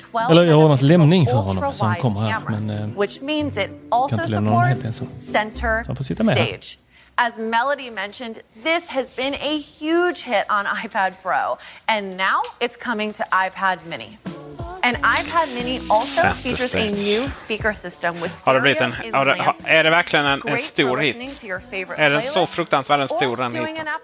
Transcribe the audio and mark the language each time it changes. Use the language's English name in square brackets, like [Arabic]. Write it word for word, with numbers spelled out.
[Swedish] Eller jag har ordnat lämning för honom så han kommer här. Men eh, jag kan inte lämna honom helt ensam. Så han får sitta med här. [English] As Melody mentioned, this has been a huge hit on iPad Pro, and now it's coming to iPad Mini. An iPad Mini also Santa features States. a new speaker system with stereo inlets. [Swedish] Har det blivit en, är det verkligen en, en stor hit? Är den så fruktansvärt en stor en hit?